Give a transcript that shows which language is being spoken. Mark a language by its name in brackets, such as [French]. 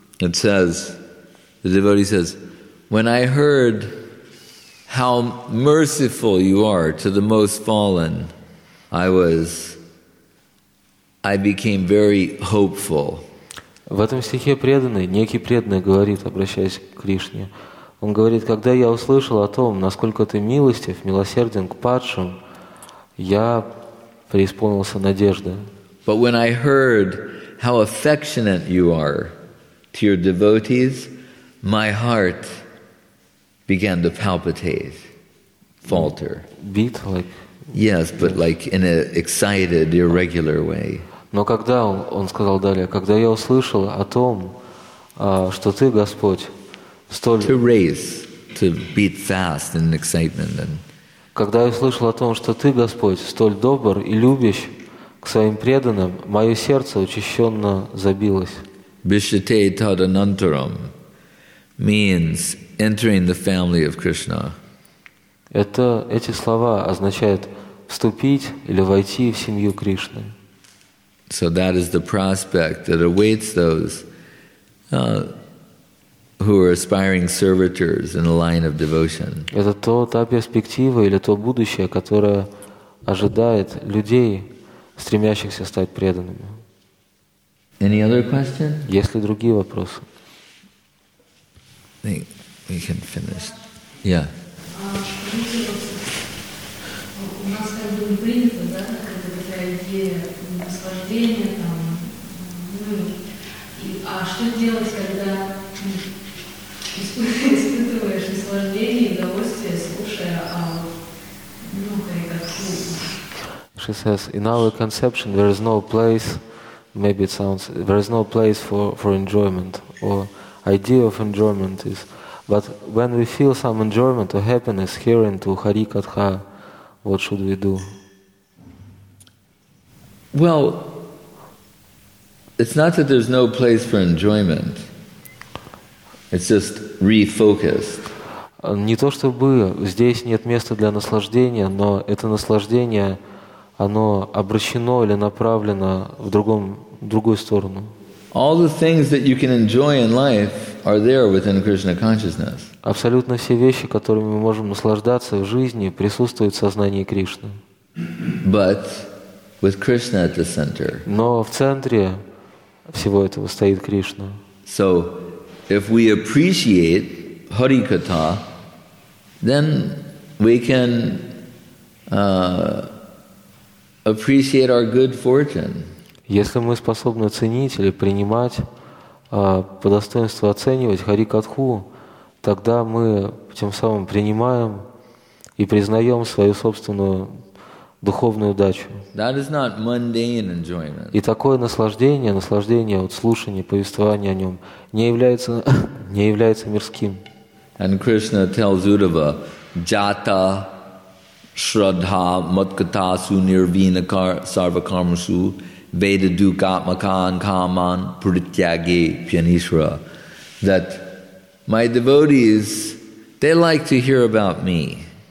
[English] It says, the devotee says, when I heard how merciful you are to the most fallen, I became very hopeful. [Russian] В этом стихе некий преданный говорит, обращаясь к Кришне. Он говорит, когда я услышал о том, насколько ты милостив, милосерден к падшим, я преисполнился надежды. [English] But when I heard how affectionate you are to your devotees, my heart began to palpitate, falter. Beat like? Yes, but like in an excited, irregular way. [Russian] Но когда он сказал далее, когда я услышал о том, что ты, Господь, столь... [English] To race, to beat fast in excitement and... [Russian] Когда я услышал о том, что ты, Господь, столь добр и любящ к своим преданным, мое сердце учащенно забилось. [Sanskrit] Bishite tadanantaram means [English] entering the family of Krishna. [Russian] Это эти слова означают вступить или войти в семью Кришны. [English] So that is the prospect that awaits those who are aspiring servitors in the line of devotion. [Russian] Это то, та перспектива или то будущее, которое ожидает людей, стремящихся стать преданными. [English] Any other question? [Russian] Есть ли другие вопросы? [English] I think we can finish. Yeah. [Russian] У нас как бы принято, да, какая-то такая идея наслаждения там, ну, и, а что делать, когда испытываешь наслаждение, удовольствие, слушая, а ну, карикатуру? [English] She says, in our conception there is no place, maybe it sounds, there is no place for enjoyment, or idea of enjoyment is, but when we feel some enjoyment or happiness hearing to Harikatha, what should we do? Well, it's not that there's no place for enjoyment. It's just refocused. [Russian] Не то чтобы здесь нет места для наслаждения, но это наслаждение, оно обращено или направлено в другом, в другую сторону. [English] All the things that you can enjoy in life are there within Krishna consciousness. [Russian] Абсолютно все вещи, которыми мы можем наслаждаться в жизни, присутствуют в сознании Кришны. [English] But with Krishna at the center. [Russian] Но в центре всего этого стоит Кришна. [English] So if we appreciate Harikatha, then we can appreciate our good fortune. [Russian] Если мы способны ценить или принимать, по достоинству оценивать Харикатху, тогда мы тем самым принимаем и признаем свою собственную духовную удачу. [English] That is not mundane enjoyment. [Russian] И такое наслаждение, наслаждение от слушания, повествования о нем, не является, не является мирским. [English] And Krishna tells Uddhava, [Sanskrit] jata shraddha matkatasu nirvina sarvakarmasu Veda dukatmakan kaman purityagi pyanishra, [English] that my devotees, they like to hear about me.